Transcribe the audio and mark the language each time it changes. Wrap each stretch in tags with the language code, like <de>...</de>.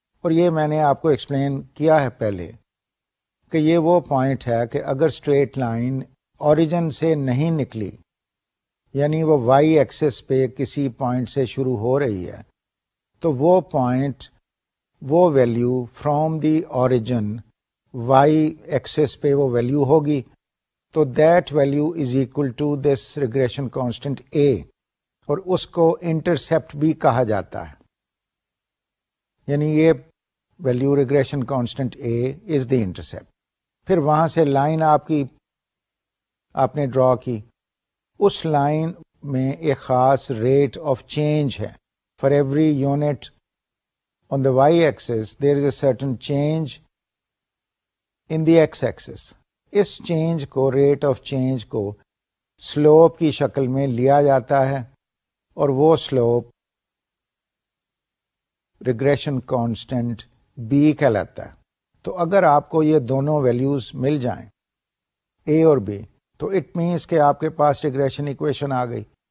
<ur>اور یہ میں نے آپ کو ایکسپلین کیا ہے پہلے کہ یہ وہ پوائنٹ ہے کہ اگر اسٹریٹ لائن اوریجن سے نہیں نکلی, یعنی وہ وائی ایکسس پہ کسی پوائنٹ سے شروع ہو رہی ہے, تو وہ پوائنٹ, وہ value from the origin Y Axis پہ وہ ویلیو ہوگی, تو</ur> <en>that value is equal to this regression constant a,</en> <ur>اور اس کو انٹرسیپٹ بھی کہا جاتا ہے. یعنی یہ ویلیو ریگریشن کانسٹنٹ اے</ur> <en>Is the intercept.</en> <ur>پھر وہاں سے لائن آپ کی آپ نے ڈرا کی, اس لائن میں ایک خاص ریٹ آف چینج ہے.</ur> <en>For every unit on the Y axis there is a certain change in the X axis.</en> <ur>اس change کو ریٹ آف چینج کو سلوپ کی شکل میں لیا جاتا ہے اور وہ سلوپ ریگریشن کانسٹنٹ بی کہلاتا ہے. تو اگر آپ کو یہ دونوں ویلیوز مل جائیں اے اور بی تو اٹ مینس کہ آپ کے پاس ریگریشن ایکویشن آ گئی.</ur>